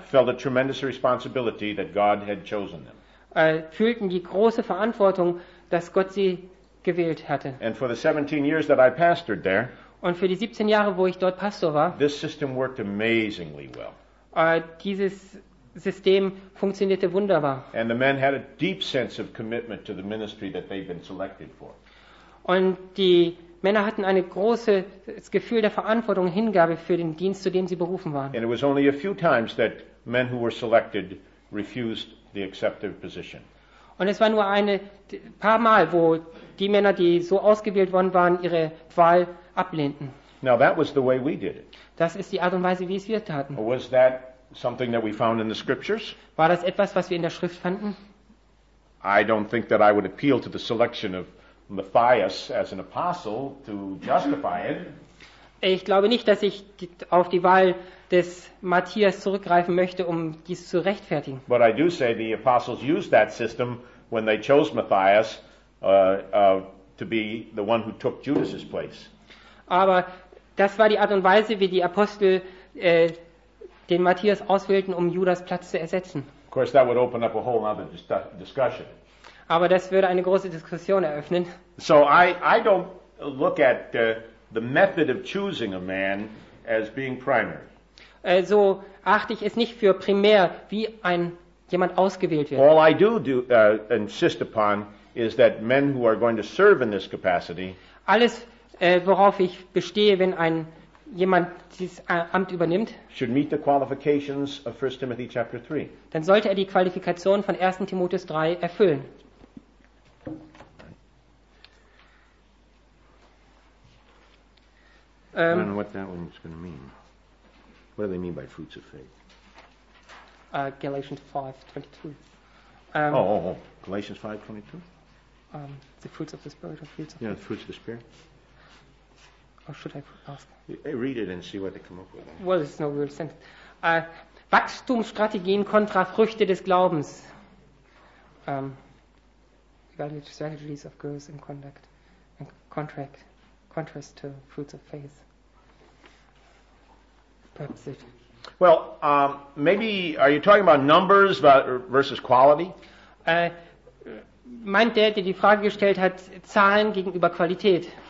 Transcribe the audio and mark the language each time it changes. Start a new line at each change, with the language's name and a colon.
English: felt a tremendous responsibility that God had chosen them.
German: Fühlten die große Verantwortung, dass Gott sie gewählt hatte.
English: And for the 17 years that I pastored there,
German: und für die 17 Jahre, wo ich dort Pastor war,
English: this system worked amazingly well.
German: Dieses System funktionierte wunderbar.
English: And the men had a deep sense of commitment to the ministry that they'd been selected for.
German: Und die Männer hatten ein großes Gefühl der Verantwortung, Hingabe für den Dienst, zu dem sie berufen waren.
English: And it was only a few times that men who were selected refused the accepted position.
German: Und es war nur ein paar Mal, wo die Männer, die so ausgewählt worden waren, ihre Wahl ablehnten.
English: Now that was the way we did it.
German: Das ist die Art und Weise, wie es wir taten.
English: Or was that something that we found in the scriptures?
German: War das etwas, was wir in der Schrift fanden?
English: I don't think that I would appeal to the selection of Matthias as an apostle to justify it.
German: Ich glaube nicht, dass ich auf die Wahl des Matthias zurückgreifen möchte, um dies zu rechtfertigen.
English: But I do say the apostles used that system when they chose Matthias to be the one who took Judas's place.
German: Aber das war die Art und Weise, wie die Apostel den Matthias auswählten, um Judas Platz zu ersetzen.
English: Of course, that would open up a whole other discussion.
German: Aber das würde eine große Diskussion eröffnen.
English: So I don't look at the method of choosing a man as being primary.
German: So achte ich es nicht für primär, wie jemand ausgewählt wird.
English: All I do insist upon is that men who are going to serve in this capacity.
German: Alles worauf ich bestehe, wenn jemand dieses Amt übernimmt,
English: should meet the qualifications of 1 Timothy chapter 3.
German: Dann sollte er die Qualifikation von 1. Timotheus 3 erfüllen.
English: I don't know what that one's going to mean. What do they mean by fruits of faith? Galatians 5:22. Galatians 5:22. The fruits of the Spirit or fruits of faith? Yeah, fruits of the Spirit. Or should I ask? Read it and see what they come up with. Well, it's no real sentence.
German: Wachstumsstrategien kontra Früchte des Glaubens.
English: Evaluate strategies of growth and conduct and contract contrast to fruits of faith. Well, maybe are you talking about numbers versus quality?
German: Meint der, die Frage gestellt hat, Zahlen gegenüber Qualität?